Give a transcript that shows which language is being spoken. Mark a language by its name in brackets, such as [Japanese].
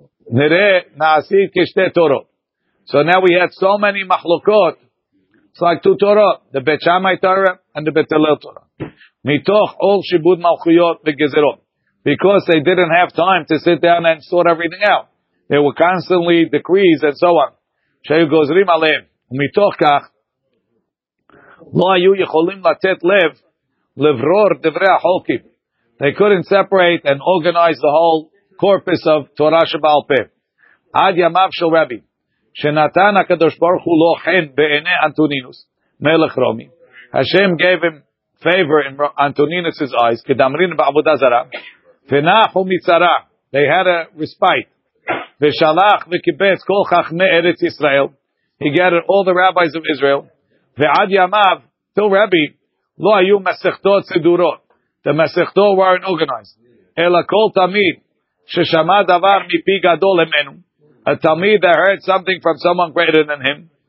[Hebrew] Nere Na'asit Kishte Torot. [English] So now we had so many Machlokot. It's like two Torot. The Bet Shammai Torah and the Bet Hillel Torah. [Hebrew] Mitoch Ol Shibud Malchuyot VeGezerot. [English] Because they didn't have time to sit down and sort everything out. There were constantly decrees and so on. [Hebrew] Shehu Gozrim Aleim. ומתוך כך, לא היו יכולים לתת לב לברור דברי החוקים. [English] They couldn't separate and organize the whole corpus of Torah שבעל פה. [Hebrew] עד ימיו של רבי, שנתן הקדוש ברוך הוא לא חן בעיני אנטונינוס, מלך רומי. [English] השם gave him favor in Antoninus' eyes, [Hebrew] כדמרין בעבודה זרה. ונח ומצרה, [English] they had a respite. [Hebrew] ושלח וקיבץ כל חכמי ארץ ישראל. [English] He gathered all the rabbis of Israel. [Hebrew] Ve'ad yamav, [English] till Rabbi, [Hebrew] lo ayu masechtot sedurot. [English] The masechtot weren't organized. [Hebrew] Ela kol tamid, sheshama davar mipi gadol emenu. [English] A tamid that heard something from someone greater than him.